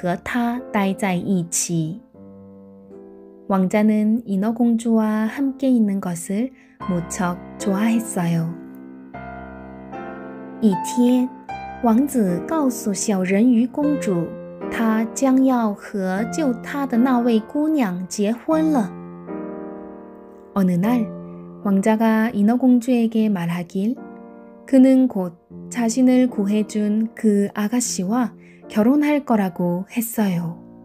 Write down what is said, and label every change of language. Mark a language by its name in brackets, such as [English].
[Chinese] 王子很喜欢和她待在一起。 [Korean] 왕자는 인어공주와 함께 있는 것을 무척 좋아했어요. [Chinese] 一天,王子告诉小人鱼公主,她将要和救她的那位姑娘结婚了。 [Korean] 어느 날, 왕자가 인어공주에게 말하길, 그는 곧 자신을 구해준 그 아가씨와 결혼할 거라고 했어요.